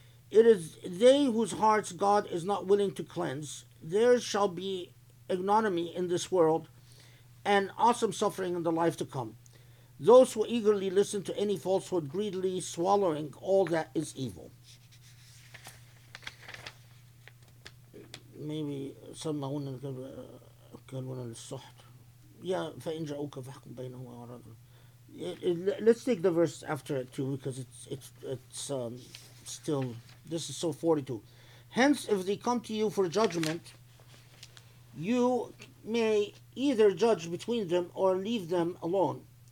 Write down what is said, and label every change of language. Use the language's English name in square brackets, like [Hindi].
[English] It is they whose hearts God is not willing to cleanse. There shall be ignominy in this world and awesome suffering in the life to come. Those who eagerly listen to any falsehood, greedily swallowing all that is evil." Maybe [Arabic] سمعونا كلمة الصحت. Yeah, فإن جاءوك فاحكم بينهم وأعرض. [English] Let's take the verse after it too, because it's still, this is Surah 42. Hence, if they come to you for judgment, you may either judge between them or leave them alone.